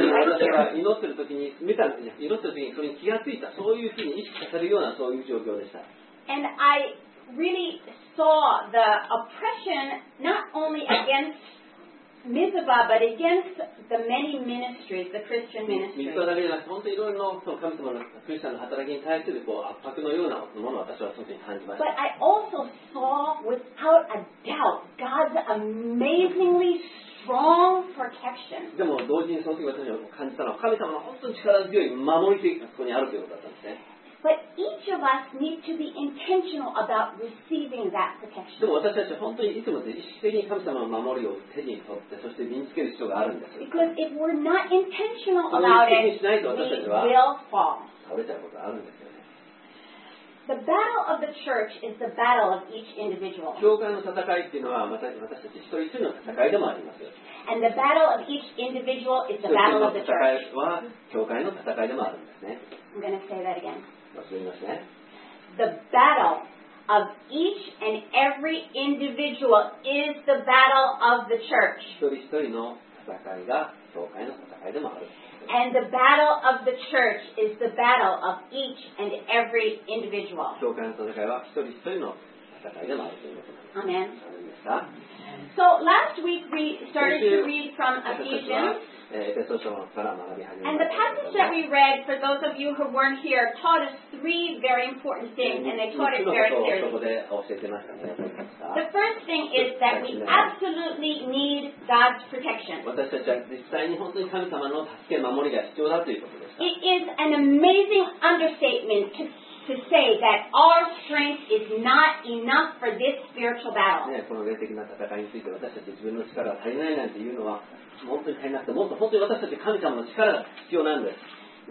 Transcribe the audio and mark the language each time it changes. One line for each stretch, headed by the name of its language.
Japanese: 私が祈ってる時に見た、祈ってる時にそれに気がついた、そういうふうに意識されるようなそういう状況でした。
English: And I really saw the oppression not only against Mizpah, but against the many ministries, the Christian ministries. But I also saw without a doubt God's amazingly strong protection.
Japanese: でも同時にその時私は感じたのは神様の本当に力強い守りがここにあるということだったんですね。
English: But each of us need to be intentional about receiving that protection.
Japanese: でも私たち本当にいつも意識的に神様の守りを手に取って、そして身につける必要があるんです。
English: Because if we're not intentional about it, we will fall.
Japanese: 倒れちゃうことあるんですよね。
English: The battle of the church is the battle of each individual.
Japanese: 教会の戦いっていうのは私たち一人一人の戦いでもあります。
English: And the battle of each individual is the battle of the church.
Japanese: 教会は教会の戦いでもあるんですね。
English: I'm going to say that again.
Japanese: ますね、
English: the battle of each and every individual is the battle of the church.
Japanese: 一人一人の戦いが教会の戦いでもある。
English: And the battle of the church is the battle of each and every individual.
Japanese: 教会の戦いは一人一人の戦いでもあるということです。アメン。
English: So last week we started to read from Ephesians. And the passage that we read, for those of you who weren't here, taught us three very important things, and they taught it very clearly. The first thing is that we absolutely need God's protection. It is an amazing understatement to say that our strength is not enough for this spiritual battle.
Japanese: ね、この霊的な戦いについて私たち自分の力が足りないなんていうのは本当に足りなくて、もっと本当に私たち神様の力が必要なんです。